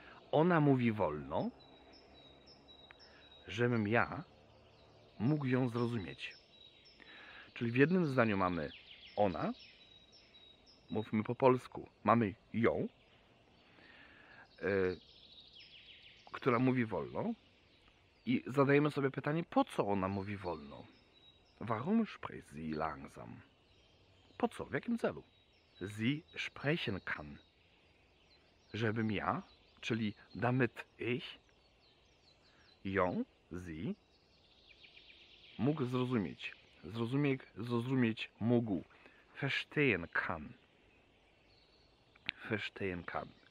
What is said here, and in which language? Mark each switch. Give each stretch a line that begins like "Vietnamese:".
Polish: Ona mówi wolno, żebym ja mógł ją zrozumieć. Czyli w jednym zdaniu mamy ona, mówmy po polsku, mamy ją, która mówi wolno i zadajemy sobie pytanie, po co ona mówi wolno?
German: Warum spricht sie langsam?
Polish: Po co? W jakim celu?
German: Sie sprechen kann.
Polish: Żebym ja, czyli
German: damit ich,
Polish: ją, sie, mógł zrozumieć. Zrozumieć mógł.
German: Verstehen kann. Verstehen kann.